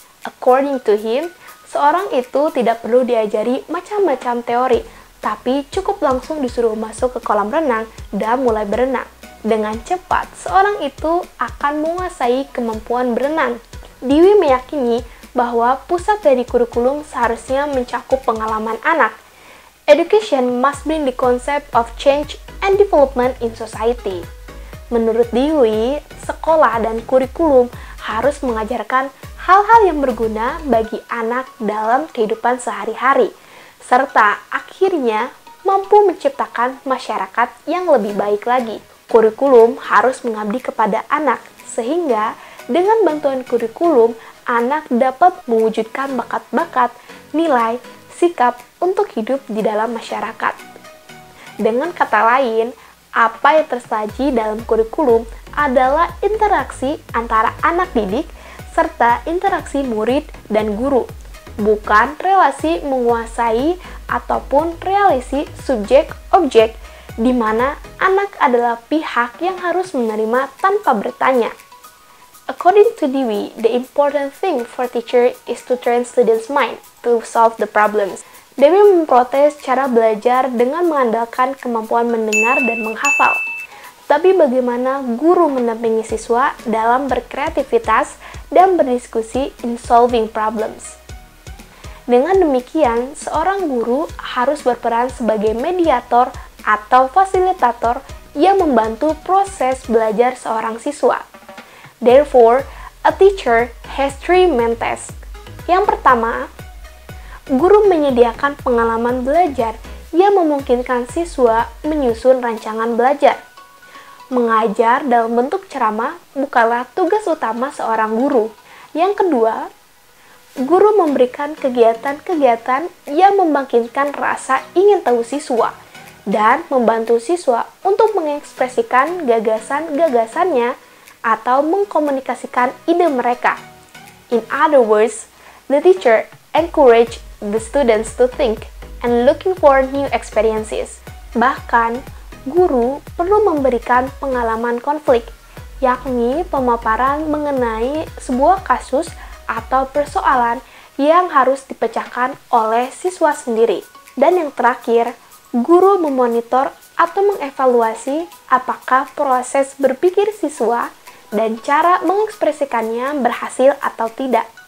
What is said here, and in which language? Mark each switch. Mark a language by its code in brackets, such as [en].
[en] According to him, [id] seorang itu tidak perlu diajari macam-macam teori, tapi cukup langsung disuruh masuk ke kolam renang dan mulai berenang. Dengan cepat, seorang itu akan menguasai kemampuan berenang. Dewey meyakini bahwa pusat dari kurikulum seharusnya mencakup pengalaman anak. [en] Education must bring the concept of change and development in society. [id] Menurut Dewey, sekolah dan kurikulum harus mengajarkan hal-hal yang berguna bagi anak dalam kehidupan sehari-hari, serta akhirnya mampu menciptakan masyarakat yang lebih baik lagi. Kurikulum harus mengabdi kepada anak, sehingga dengan bantuan kurikulum, anak dapat mewujudkan bakat-bakat, nilai, sikap untuk hidup di dalam masyarakat. Dengan kata lain, apa yang tersaji dalam kurikulum adalah interaksi antara anak didik serta interaksi murid dan guru, bukan relasi menguasai ataupun relasi subjek-objek di mana anak adalah pihak yang harus menerima tanpa bertanya. [en] According to Dewey, the important thing for teacher is to train students' mind to solve the problems. [id] Dewey memprotes cara belajar dengan mengandalkan kemampuan mendengar dan menghafal. Tapi bagaimana guru mendampingi siswa dalam berkreativitas dan berdiskusi [en] in solving problems? [id] Dengan demikian, seorang guru harus berperan sebagai mediator atau fasilitator yang membantu proses belajar seorang siswa. [en] Therefore, a teacher has three main tasks. [id] Yang pertama, guru menyediakan pengalaman belajar yang memungkinkan siswa menyusun rancangan belajar. Mengajar dalam bentuk ceramah bukanlah tugas utama seorang guru. Yang kedua, guru memberikan kegiatan-kegiatan yang membangkitkan rasa ingin tahu siswa dan membantu siswa untuk mengekspresikan gagasan-gagasannya atau mengkomunikasikan ide mereka. [en] In other words, the teacher encourage the students to think and looking for new experiences. [id] Bahkan, guru perlu memberikan pengalaman konflik, yakni pemaparan mengenai sebuah kasus atau persoalan yang harus dipecahkan oleh siswa sendiri. Dan yang terakhir, guru memonitor atau mengevaluasi apakah proses berpikir siswa dan cara mengekspresikannya berhasil atau tidak.